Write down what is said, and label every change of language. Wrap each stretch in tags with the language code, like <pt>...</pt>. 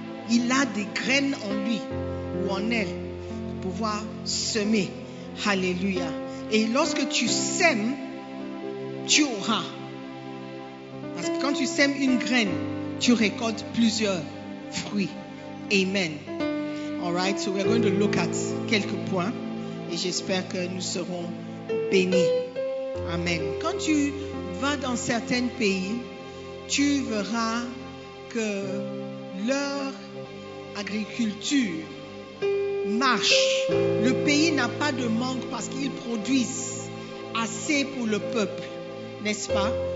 <fr>Il a des graines en lui ou en elle pour pouvoir semer. Alléluia. Et lorsque tu sèmes, tu auras. Parce que quand tu sèmes une graine, tu récoltes plusieurs fruits. Amen.</fr> <en>All right, so we're going to look at</en> <fr>quelques points. Et j'espère que nous serons bénis. Amen. Quand tu vas dans certains pays, tu verras que leur agriculture marche. Le pays n'a pas de manque parce qu'ils produisent assez pour le peuple, n'est-ce pas?</fr>